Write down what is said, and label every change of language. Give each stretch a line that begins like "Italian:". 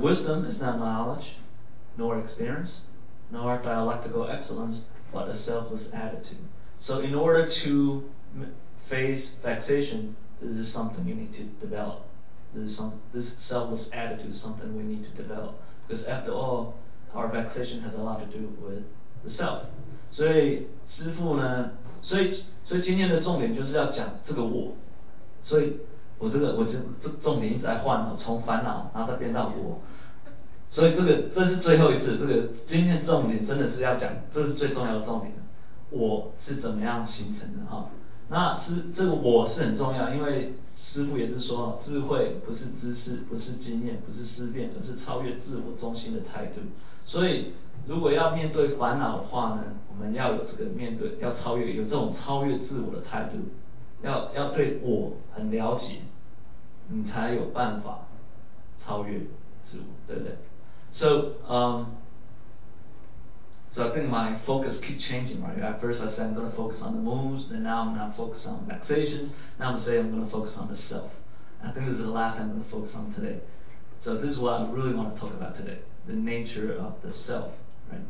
English: Wisdom is not knowledge, nor experience, nor dialectical excellence, but a selfless attitude. So in order to face vexation, this is something you need to develop. This selfless attitude is something we need to develop. Because after all, our vexation has a lot to do with the self.
Chinese: 所以师父呢，所以今天的重点就是要讲这个我。所以我这重点一直在换，从烦恼然后再变到我。所以这是最后一次，今天的重点真的是要讲，这是最重要的重点，我是怎么样形成的。那是这个我是很重要，因为师父也是说，智慧不是知识，不是经验，不是思辨，而是超越自我中心的态度。所以如果要面对烦恼的话呢，我们要有这个面对，要超越，有这种超越自我的态度，要对我很了解，你才有办法超越自我，对不对？
English: So I think my focus keep changing, right? At first I said I'm going to focus on the moves, then now I'm going to focus on vexation, now I'm going to say I'm going to focus on the self. I think this is the last thing I'm going to focus on today. So this is what I really want to talk about today, the nature of the self, right?